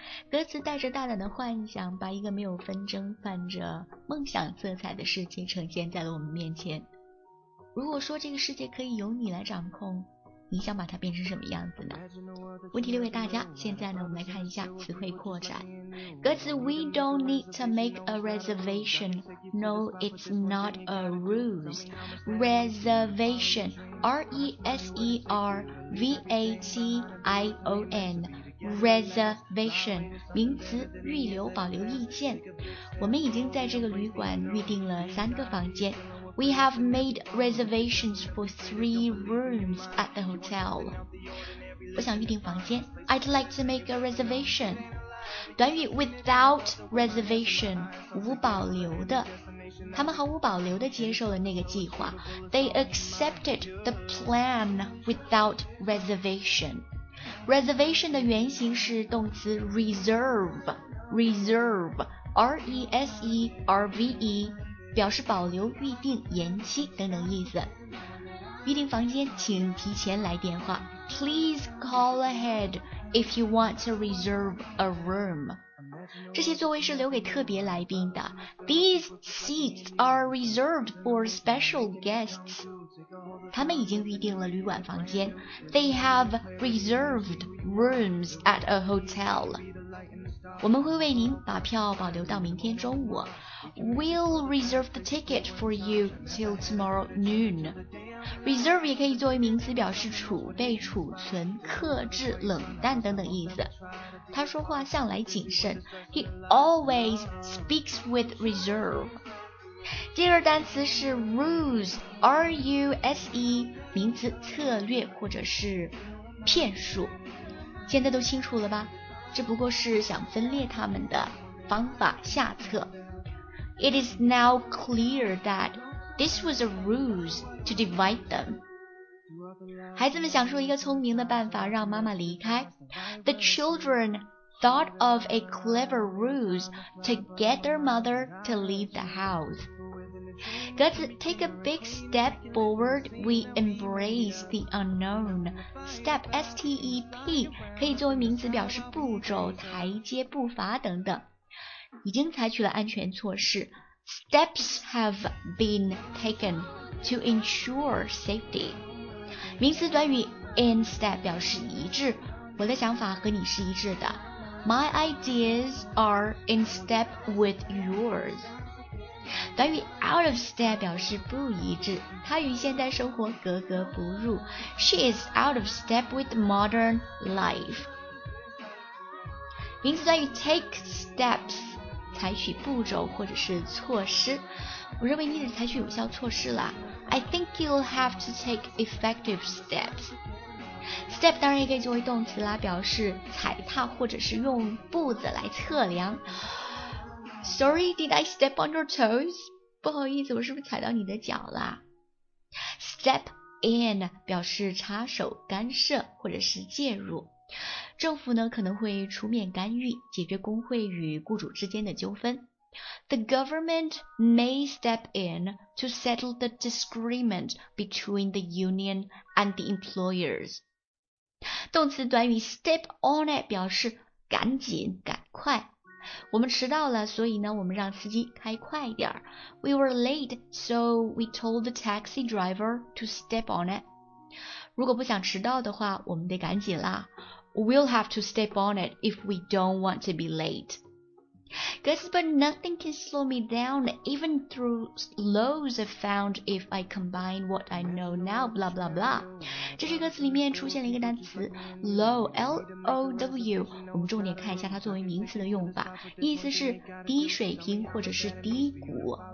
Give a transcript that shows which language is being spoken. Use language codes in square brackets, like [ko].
[zh] 歌词带着大胆的幻想，把一个没有纷争、泛着梦想色彩的世界呈现在了我们面前。如果说这个世界可以由你来掌控，你想把它变成什么样子呢？问题留给大家。现在呢，我们来看一下词汇扩展。 [en] 歌词 We don't need to make a reservation. No, it's not a ruse. Reservation, R-E-S-E-R-V-A-T-I-O-N. [zh] Reservation, 名词，预留，保留意见。我们已经在这个旅馆预定了三个房间。 [en] We have made reservations for 3 rooms at the hotel. [zh] 我想预订房间。 [en] I'd like to make a reservation. [zh] 短语 without reservation, 无保留的。他们毫无保留地接受了那个计划。 [en] They accepted the plan without reservation. [zh] Reservation 的原型是动词 reserve. [en] Reserve, R-E-S-E-R-V-E. [zh] 表示保留、预定、延期等等意思。预定房间，请提前来电话。 [en] Please call ahead if you want to reserve a room. [zh] 这些座位是留给特别来宾的。 [en] These seats are reserved for special guests. [zh] 他们已经预定了旅馆房间。 [en] They have reserved rooms at a hotel. [zh] 我们会为您把票保留到明天中午。 [en] We'll reserve the ticket for you till tomorrow noon. [zh] Reserve 也可以作为名词表示储备、储存、克制、冷淡等等意思。他说话向来谨慎。 [en] He always speaks with reserve. [zh] 第二单词是 ruse, R-U-S-E, 名词策略或者是骗术。现在都清楚了吧？这不过是想分裂他们的方法下策。 [en] It is now clear that this was a ruse to divide them. [zh] 孩子们想出一个聪明的办法让妈妈离开。 [en] The children thought of a clever ruse to get their mother to leave the house. 歌词 take a big step forward, we embrace the unknown. [zh] Step, S-T-E-P, 可以作为名词表示步骤、台阶、步伐等等。已经采取了安全措施。 [en] Steps have been taken to ensure safety. [zh] 名词短语 in step 表示一致，我的想法和你是一致的。 [en] My ideas are in step with yours. [zh] 短语 out of step 表示不一致，它与现代生活格格不入。 [en] She is out of step with modern life. [zh] 名词短语 take steps 采取步骤或者是措施，我认为你得采取有效措施了。 [en] I think you'll have to take effective steps. [zh] Step 当然也可以作为动词啦，表示踩踏或者是用步子来测量。 [en] Sorry, did I step on your toes? [zh] 不好意思，我是不是踩到你的脚啦？Step in 表示插手、干涉或者是介入。政府呢可能会出面干预，解决工会与雇主之间的纠纷。 [en] The government may step in to settle the disagreement between the union and the employers. [zh] 动词短语 step on it 表示赶紧、赶快。我们迟到了，所以呢，我们让司机开快点儿。 [en] We were late, so we told the taxi driver to step on it. [zh] 如果不想迟到的话，我们得赶紧啦。 [en] We'll have to step on it if we don't want to be late. Guess, but nothing can slow me down, even through lows I found if I combine what I know now, blah blah blah. [zh] 这句歌词里面出现了一个单词 low, L-O-W, 我们重点看一下它作为名词的用法，意思是低水平或者是低谷。